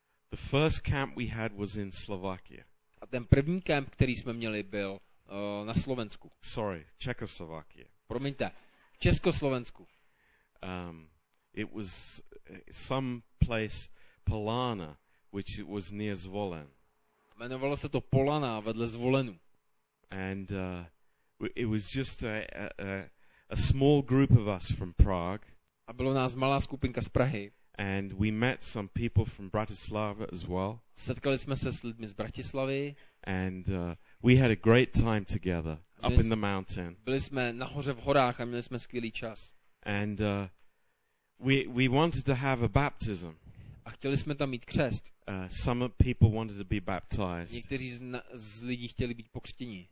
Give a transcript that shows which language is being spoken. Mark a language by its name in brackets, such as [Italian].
[English] The first camp we had was in Slovakia. [Czech] A ten první camp, který jsme měli, byl na Slovensku. [English] Sorry, Czechoslovakia. [Czech] Promiňte, v Československu. [English] It was some place Polana. Which it was near Zvolen. [Czech] Jmenovalo se to Polana vedle Zvolenu. [English] And it was just a small group of us from Prague. [Czech] A bylo nás malá skupinka z Prahy. [English] And we met some people from Bratislava as well. [Czech] Setkali jsme se s lidmi z Bratislavy. [English] And we had a great time together up in the mountain. [Czech] Byli jsme nahoře v horách a měli jsme skvělý čas. [English] And we wanted to have a baptism. [Czech] A chtěli jsme tam mít křest. [English] Some people wanted to be baptized. [Czech] Někteří z lidí chtěli být pokřtěni.